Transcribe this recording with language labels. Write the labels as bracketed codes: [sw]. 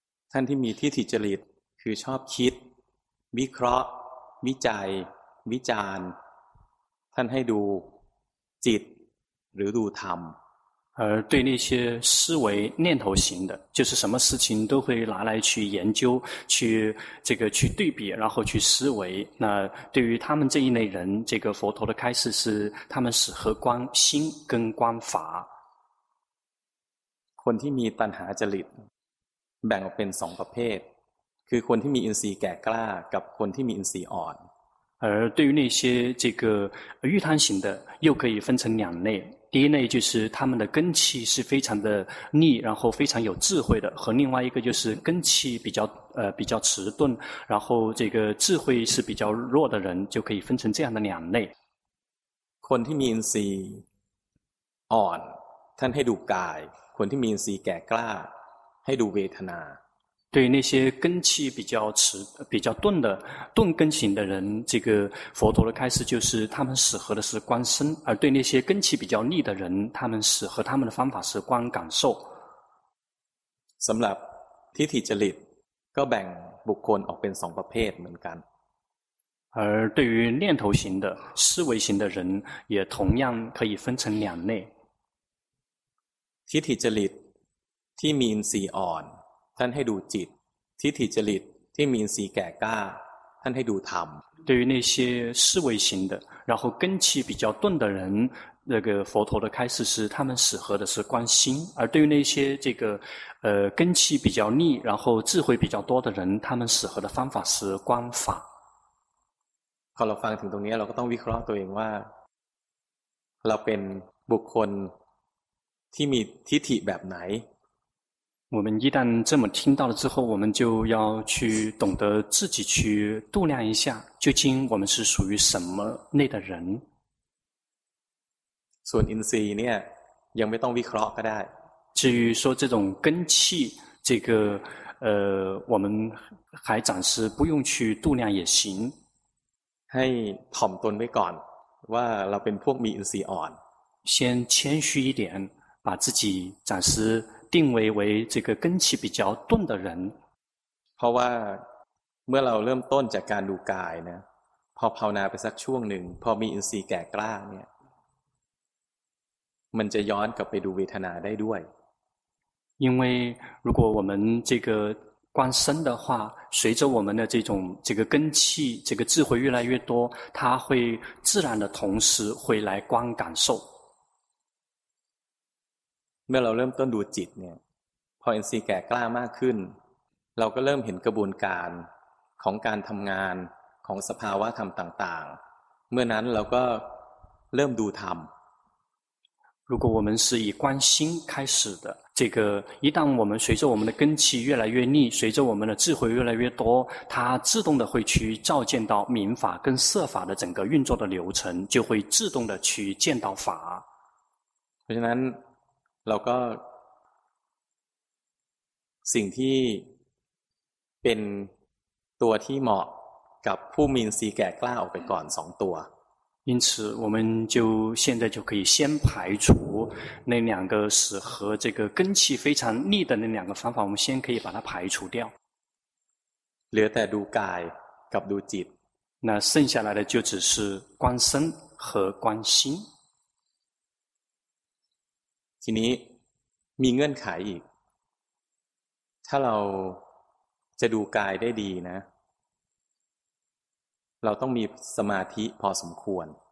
[th] ท่านที่มีทิฏฐิจริตคือชอบคิดวิเคราะห์วิจัยวิจารณ์ท่านให้ดูจิตหรือดูธรรม [zh] 而对那些思维念头型的，就是什么事情都会拿来去研究，去这个去对比，然后去思维。那对于他们这一类人，这个佛陀的开示是，他们适合观心跟观法。 [th] คนที่มีตัณหาจริตแบ่งออกเป็นสองประเภทคือคนที่มีอินทรีย์แก่กล้ากับคนที่มีอินทรีย์อ่อน。 [zh] 而对于那些这个欲贪型的，又可以分成两类。第一类就是他们的根气是非常的利，然后非常有智慧的，和另外一个就是根气比较迟钝，然后这个智慧是比较弱的人，就可以分成这样的两类。 [th] คนที่มีอินทรีย์อ่อนท่านให้ดูกายคนที่มีอินทรีย์แก่กล้าให้ดูเวทนา [zh] 对那些根气比较钝的钝根型的人，这个佛陀的开示就是他们适合的是观身，而对那些根气比较利的人，他们适合他们的方法是观感受。 [th] สำหรับทิฏฐิจริตก็แบ่งบุคคลออกเป็น2ประเภทเหมือนกัน [zh] 而对于念头型的思维型的人也同样可以分成两类 [th] ทิฏฐิจริตที่มีอินทรีย์อ่อนท่านให้ดูจิตทิฏฐิจริตที่มีอินทรีย์แก่กล้าท่านให้ดูธรรม [zh] 对于那些思维型的然后根气比较钝的人那个佛陀的开示是他们适合的是观心而对于那些这个根气比较利然后智慧比较多的人他们适合的方法是观法 [th] พอเราฟังถึงตรงนี้เราก็ต้องวิเคราะห์ตัวเองว่าเราเป็นบุคคลที่มีทิฏฐิแบบไหน [zh] 我们一旦这么听到了之后，我们就要去懂得自己去度量一下，究竟我们是属于什么类的人。所以，因此呢，也没当维克拉的。至于说这种根气，这个我们还暂时不用去度量也行。 [th] ให้ถ่อมตนไว้ก่อนว่าเราเป็นพวกมีอินทรีย์อ่อน。 [zh] 先谦虚一点，把自己暂时。定位为这个根气比较钝的人 [th] เพราะว่าเมื่อเราเริ่มต้นจากการดูกายนะพอภาวนาไปสักช่วงหนึ่งพอมีอินทรีย์แก่กล้าเนี่ยมันจะย้อนกลับไปดูเวทนาได้ด้วย [zh] 因为如果我们这个观身的话随着我们的这个根气这个智慧越来越多它会自然的同时会来观感受 [th] เมื่อเราเริ่มต้นดูจิตเนี่ยพออินทรีย์แก่กล้ามากขึ้นเราก็เริ่มเห็นกระบวนการของการทำงานของสภาวะธรรมต่างๆเมื่อนั้นเราก็เริ่มดูธรรม [zh] 如果我们是以观心开始的，这个一旦我们随着我们的根器越来越利，随着我们的智慧越来越多，它自动的会去照见到明法跟色法的整个运作的流程，就会自动的去见到法。 [th] เพราะฉะนั้นเราก็สิ่งที่เป็นตัวที่เหมาะกับผู้มีสีแก่กล้าออกไปก่อนสองตัว [zh] 因此我们就现在就可以先排除那两个适合这个根气非常利的那两个方法，我们先可以把它排除掉。 [th] เหลือแต่ดูกายกับดูจิต [zh] 那剩下来的就只是观身和观心。 [th] ทีนี้มีเงื่อนไขอีกถ้าเราจะดูกายได้ดีนะเราต้องมีสมาธิพอสมควร